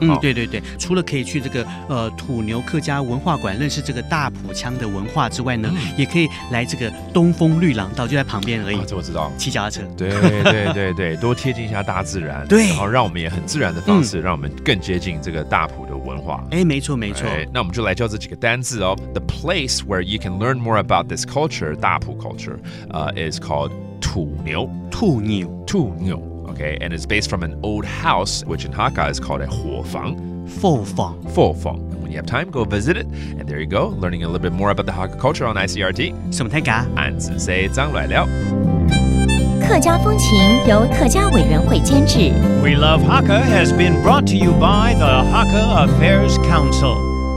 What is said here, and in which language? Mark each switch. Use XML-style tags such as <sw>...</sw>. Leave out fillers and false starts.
<zh>嗯, 嗯，对对对，除了可以去这个土牛客家文化馆认识这个大埔腔的文化之外呢、嗯、也可以来这个东风绿廊道，就在旁边而已、啊，知道骑脚踏车，对对对对，多贴近一下大自然，对，然后让我们也很自然的方式，让我们更接近这个大埔的文化。哎，没错没错。那我们就来教这几个单字哦。</zh> <en>The place where you can learn more about this culture, 大埔 culture, is called 土牛，</en> <zh>土牛，土牛。</zh> <en>Okay, and it's based from an old house, which in Hakka is called a 火房，</en> <zh>火房，</zh> <en>火房。When you have time, go visit it. And there you go, learning a little bit more about the Hakka culture on ICRT. 什么台噶？</en> <zh>俺只说张来了。客家风情由客家委员会监制。</zh> <en>We Love Hakka has been brought to you by the Hakka Affairs Council.</en>